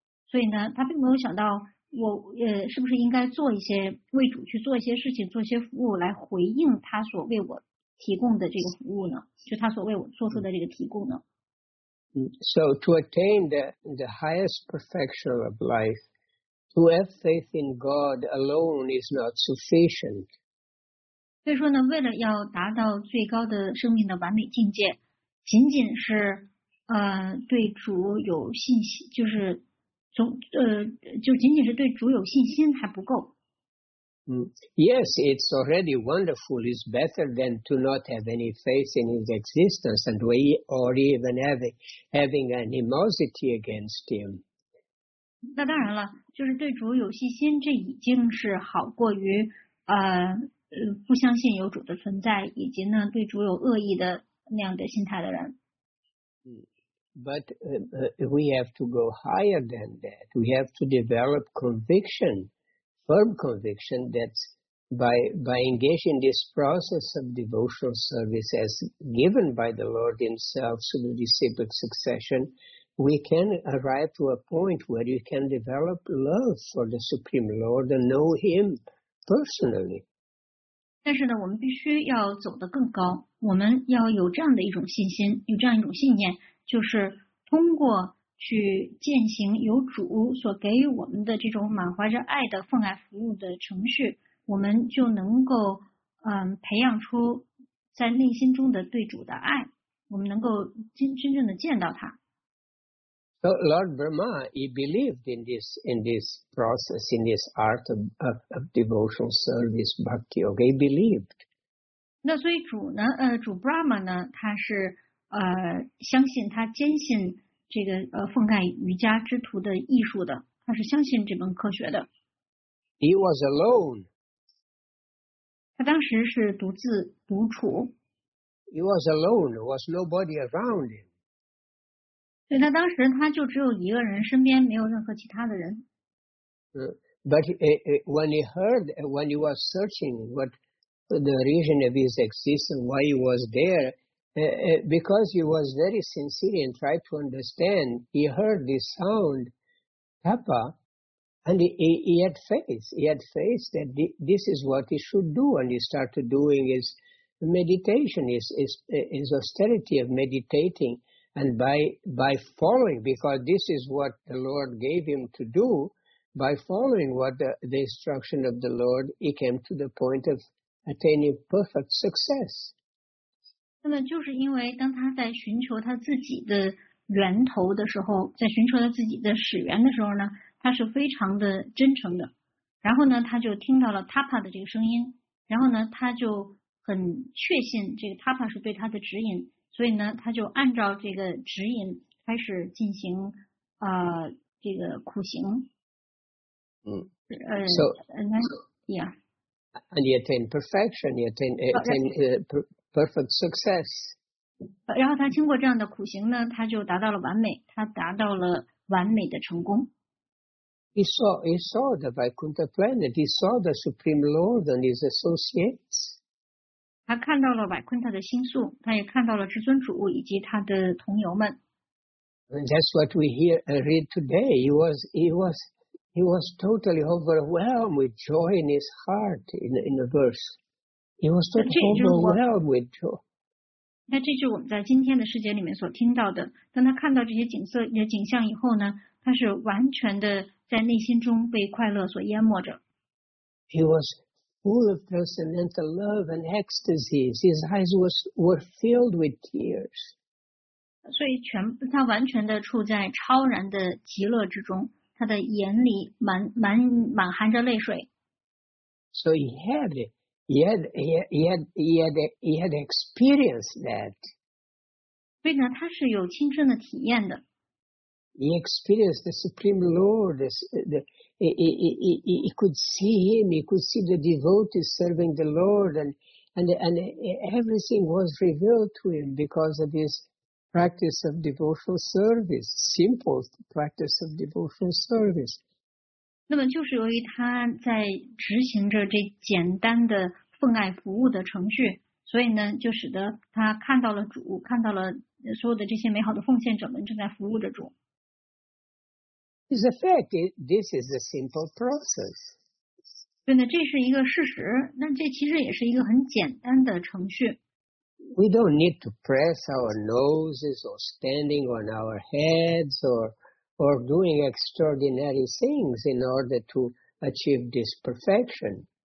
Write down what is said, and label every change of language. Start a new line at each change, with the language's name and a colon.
Chinese: 所以呢，他并没有想到我是不是应该做一些为主去做一些事情，做一些服务来回应他所为我提供的这个服务呢？就他所为我做出的这个提供呢？
English: So to attain the highest perfection of life. To have faith in God alone is not sufficient.
Chinese: 所以说呢，为了要达到最高的生命的完美境界，仅仅是对主有信心，就是总就仅仅是对主有信心还不够。
English: Yes, it's already wonderful. It's better than to not have any faith in his existence and we, or even having animosity against him.
Chinese: 那当然了，就是对主有信心，这已经是好过于不相信有主的存在，以及呢对主有恶意的那样的心态的人。
English: But we have to go higher than that. We have to develop conviction. Firm conviction that by engaging this process of devotional service as given by the Lord Himself through the disciplic succession, we can arrive to a point where you can develop love for the Supreme Lord and know Him personally.
Chinese: 但是呢，我们必须要走得更高。我们要有这样的一种信心，有这样一种信念，就是通过。去践行由主所给予我们的这种满怀着爱的奉爱服务的程序，我们就能够培养出在内心中的对主的爱，我们能够真正的见到他。
English: So Lord Brahma, he believed in this process, in this art of devotional service, bhakti. Okay, believed.
Chinese: 那所以主呢？主 Brahma 呢？他是相信，他坚信。这个奉盖瑜伽之徒的艺术的，他是相信这门科学的。
English: He was alone.
Chinese: 他当时是独自独处。
English: He was alone. There was nobody around him.
Chinese: 所以他当时他就只有一个人，身边没有任何其他的人。
English: But when he heard, when he was searching what the reason of his existence, why he was there. Because he was very sincere and tried to understand, he heard this sound, tapa, and he had faith. He had faith that this is what he should do, and he started doing his meditation, his austerity of meditating, and by following, because this is what the Lord gave him to do, by following what the instruction of the Lord, he came to the point of attaining perfect success.
Chinese: 那么就是因为当他在寻求他自己的源头的时候，在寻求他自己的始源的时候呢，他是非常的真诚的。然后呢，他就听到了 Tapa 的这个声音，然后呢，他就很确信这个 Tapa 是对他的指引，所以呢，他就按照这个指引开始进行这个苦行。
English: And he attained perfection. He attained perfect success.
Chinese: 然后他经过这样的苦行呢，他就达到了完美，他达到了完美的成功。
English: He saw the Vaikuntha planet. He saw the Supreme Lord and his associates.
Chinese: 他看到了 Vaikuntha 的星宿，他也看到了至尊主以及他的同游们。
English: And that's what we hear and read today. He was totally overwhelmed with joy in his heart in the verse. He was overwhelmed with joy.
Chinese: 那这就是我们在今天的世界里面所听到的。当他看到这些景色的景象以后呢，他是完全的在内心中被快乐所淹没着。
English: He was full of transcendental love and ecstasy. His eyes were filled with tears.
Chinese: 所以他完全的处在超然的极乐之中，他的眼里满含着泪水。
English: So he had it. He had experienced that.
Chinese: 所以呢，他是有亲身的体验的。
English: He experienced the Supreme Lord. He could see him. He could see the devotees serving the Lord, and everything was revealed to him because of his practice of devotional service. Simple practice of devotional service.
Chinese: 那么就是由于他在执行着这简单的。奉爱服务的程序，所以呢，就使得他看到了主，看到了所有的这些美好的奉献者们正在服务着主。
English: It's a fact. This is a simple process.
Chinese: 对呢，这是一个事实。那这其实也是一个很简单的程序。
English: We don't need to press our noses or standing on our heads or doing extraordinary things in order to achieve this perfection.